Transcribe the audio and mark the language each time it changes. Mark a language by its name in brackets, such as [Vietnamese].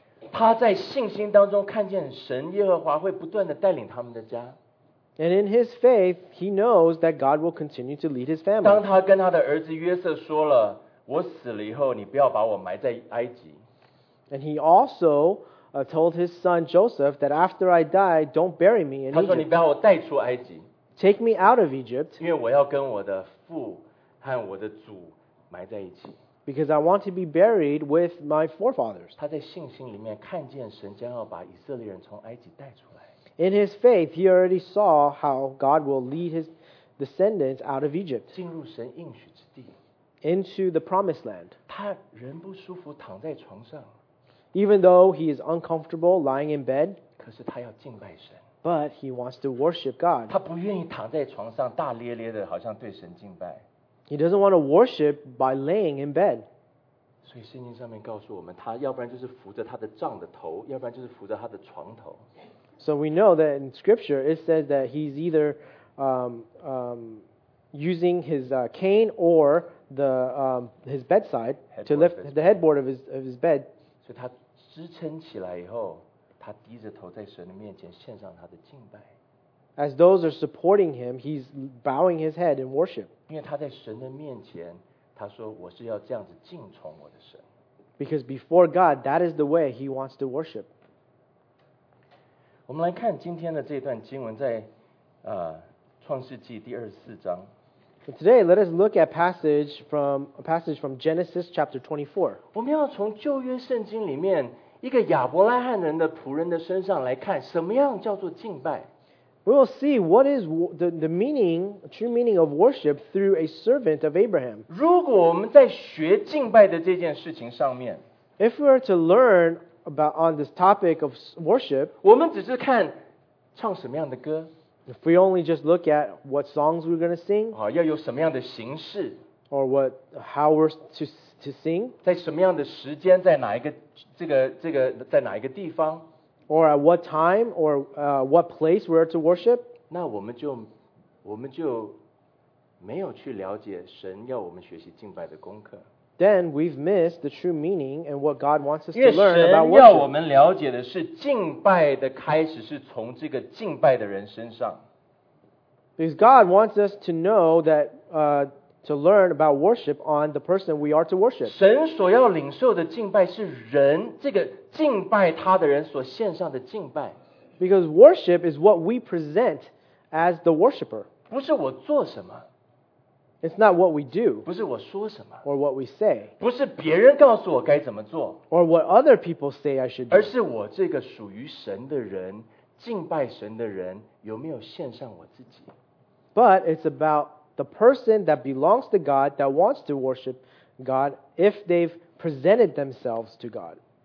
[Chinese] 他在信心当中看见神耶和华会不断的带领他们的家。 [English] And in his faith, he knows that God will continue to lead his family. [Chinese] 当他跟他的儿子约瑟说了。我死了以后，你不要把我埋在埃及。 [English] And he also told his son Joseph that after I die, don't bury me in Egypt. [Chinese] 他说你不要我带出埃及。 [English] Take me out of Egypt. [Chinese] 因为我要跟我的父和我的祖埋在一起。 [English] Because I want to be buried with my forefathers. [Chinese] 他在信心里面看见神将要把以色列人从埃及带出来。 [English] In his faith, he already saw how God will lead his descendants out of Egypt. [Chinese] 进入神应许之地。 [English] Into the promised land. [Chinese] 他人不舒服躺在床上。 [English] Even though he is uncomfortable lying in bed, [Chinese] 可是他要敬拜神。 [English] But he wants to worship God. [Chinese] 他不愿意躺在床上大咧咧的好像对神敬拜。 [English] He doesn't want to worship by laying in bed. [Chinese] 所以圣经上面告诉我们，他要不然就是扶着他的帐的头，要不然就是扶着他的床头。 [English] So we know that in scripture it says that he's either using his cane or his bedside to lift the headboard of his bed. [Chinese] 所以他支撑起来以后，他低着头在神的面前献上他的敬拜。 [English] As those are supporting him, he's bowing his head in worship. [Chinese] 因为他在神的面前，他说我是要这样子敬崇我的神。 [English] Because before God, that is the way he wants to worship. [Chinese] 我们来看今天的这段经文在创世纪第二十四章。 [English] So today, let us look at a passage from Genesis chapter 24. [Chinese] 我们要从旧约圣经里面一个亚伯拉罕人的仆人的身上来看，什么样叫做敬拜。 [English] We will see what is the meaning, true meaning of worship through a servant of Abraham. [Chinese] 如果我们在学敬拜的这件事情上面 [English] ，If we are to learn about on this topic of worship, [Chinese] 我们只是看唱什么样的歌。 [English] If we only just look at what songs we're going to sing, [Chinese] 要有什么样的形式, [English] or how we're to sing, [Chinese] 在什么样的时间, 在哪一个, 在哪一个地方, [English] or at what time, or what place we're to worship, [Chinese] 那我们就没有去了解神要我们学习敬拜的功课。 [English] then we've missed the true meaning and what God wants us to learn about worship. [Chinese] 因为神要我们了解的是敬拜的开始是从这个敬拜的人身上。 [English] Because God wants us to know that, to learn about worship on the person we are to worship. [Chinese] 神所要领受的敬拜是人，这个敬拜他的人所献上的敬拜。 [English] Because worship is what we present as the worshiper. [Chinese] 不是我做什么。 [English] It's not what we do, [Chinese] 不是我说什么, [English] or what we say, [Chinese] 不是别人告诉我该怎么做, [English] or what other people say I should do, [Chinese] 而是我这个属于神的人, 敬拜神的人, 有没有献上我自己? [English] But it's about the person that belongs to God, that wants to worship God, if they've presented themselves to God.